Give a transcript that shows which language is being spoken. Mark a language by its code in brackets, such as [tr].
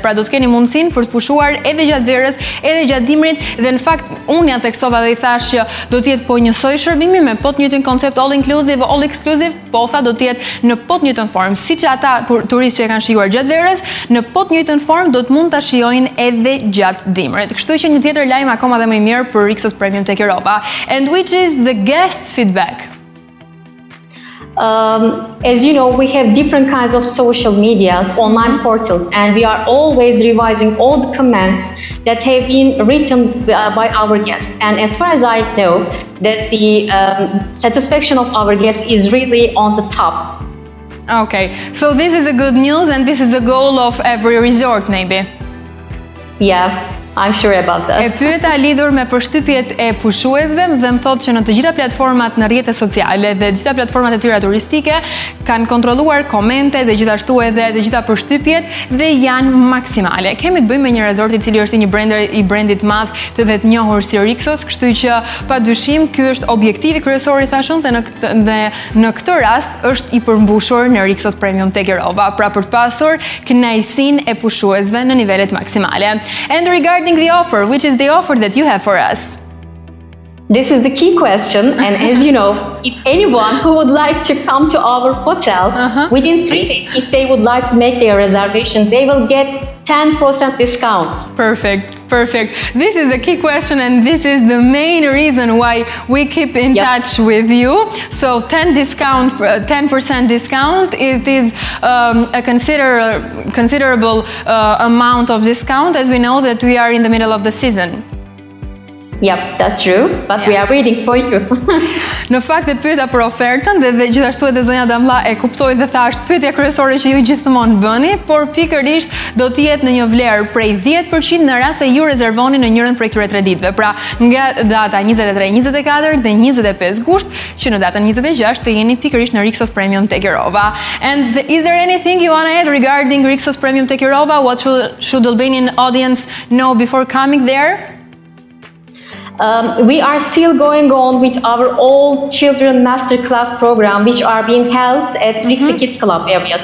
[sq] Pra do të keni mundësinë për të pushuar edhe gjatë verës, edhe gjatë dimrit dhe në fakt unë ja theksova dhe i thash që do të jetë po njësoj shërbimi me po të njëjtin koncept all inclusive exclusive, po tha do të jetë në po të njëjtën formë, siç ata turistë që e kanë shijuar gjatë verës, në po të njëjtën formë do të mund ta shijojnë edhe gjatë dimrit. Kështu që një tjetër lajm akoma dhe më i mirë për Rixos Premium Tekirova. [en] And which is the guest feedback? As you know, we have different kinds of social medias, online portals, and we are always revising all the comments that have been written by our guests. And as far as I know, that the satisfaction of our guests is really on the top. Okay, so this is a good news, and this is the goal of every resort, maybe. Yeah. I'm sure about that. [sq] E pyeta lidhur me përshtypjet e pushuesve dhe më thotë që në të gjitha platformat në rrjetet sociale dhe të gjitha platformat e tjera turistike kanë kontrolluar komente dhe gjithashtu edhe të gjitha përshtypjet dhe janë maksimale. Kemi të bëjmë me një resort i cili është një brander i brandit madh të vetë njohur si Rixos, kështu që padyshim ky është objektivi kryesor i thashun dhe në këtë rast është i përmbushur në Rixos Premium Tekirova, pra për të pasur kënaqësinë e pushuesve në nivelet maksimale. [en] Regarding the offer, which is the offer that you have for us? This is the key question, and as you know, if anyone who would like to come to our hotel within 3 days, if they would like to make their reservation, they will get 10% discount. Perfect. Perfect. This is a key question and this is the main reason why we keep in touch with you. So 10% discount, it is a considerable amount of discount, as we know that we are in the middle of the season. Yep, that's true, but yeah. We are waiting for you. [sq] Në fakt e pyeta për ofertën dhe gjithashtu edhe zonja Damla e kuptoi dhe thashë pyetja kryesore që ju gjithmonë bëni, por pikërisht do të jetë në një vlerë prej 10% në rast se ju rezervoni në njërin prej këtyre 3 ditëve. Pra, nga data 23, 24 dhe 25 gusht, që në datën 26 të jeni pikërisht në Rixos Premium Tekirova. [en] And is there anything you want to add regarding Rixos Premium Tekirova? What should Albanian audience know before coming there? We are still going on with our all children masterclass program, which are being held at Rixos Kids Club area.